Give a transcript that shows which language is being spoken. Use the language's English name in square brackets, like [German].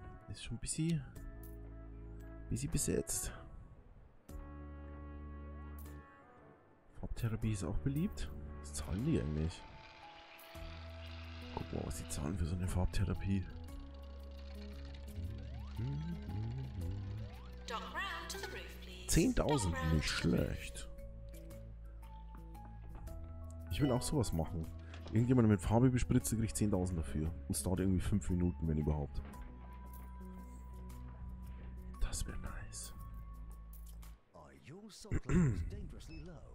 [German] Ist schon ein bisschen besetzt. Farbtherapie ist auch beliebt. Was zahlen die eigentlich? Guck mal, was die zahlen für so eine Farbtherapie. [English] Doc Brown to the roof, please. [German] 10.000, nicht schlecht. Ich will auch sowas machen. Irgendjemand mit Farbe bespritzt, kriegt 10.000 dafür. Und es dauert irgendwie 5 Minuten, wenn überhaupt. Das wäre nice. [English] Are your supplies dangerously low?